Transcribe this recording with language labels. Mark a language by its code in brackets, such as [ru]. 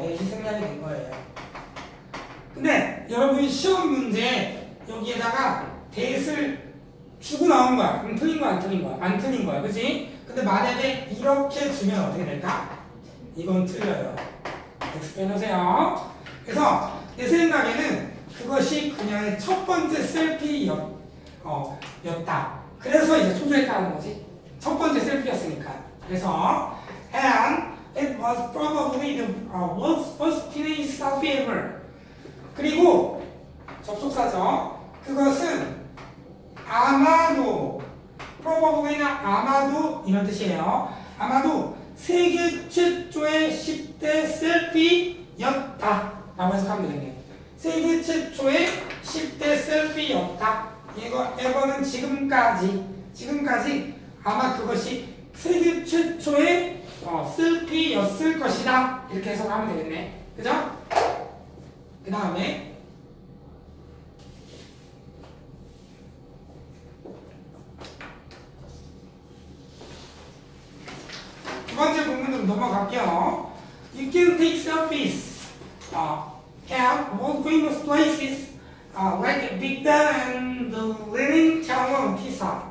[ko] 넷이 생략이 된 거예요. 근데 여러분이 시험 문제 여기에다가 넷을 주고 나온 거야. 그럼 틀린 거야, 안 틀린 거야? 안 틀린 거야. 그치? 근데 만약에 이렇게 주면 어떻게 될까? 이건 틀려요. 빼놓으세요. 그래서 내 생각에는 그것이 그녀의 첫 번째 셀피였다. 그래서 이제 초조했다는 거지. 첫 번째 셀피였으니까. [en] 그래서 And it was probably the world's first teenage selfie ever. [ko] 그리고 접속사죠. 그것은 아마도 probably나 아마도 이런 뜻이에요. 아마도 세계 최초의 10대 셀피였다 라고 해석하면 되겠네요. 세계 최초의 10대 셀피였다. 이거 에버는 지금까지 아마 그것이 세계 최초의 셀피였을 것이다 이렇게 해석하면 되겠네. 그죠? 그 다음에 두 번째 부분으로 넘어갈게요. [en] You can take selfies at world famous places like Big Ben and the Leaning Tower of Pisa.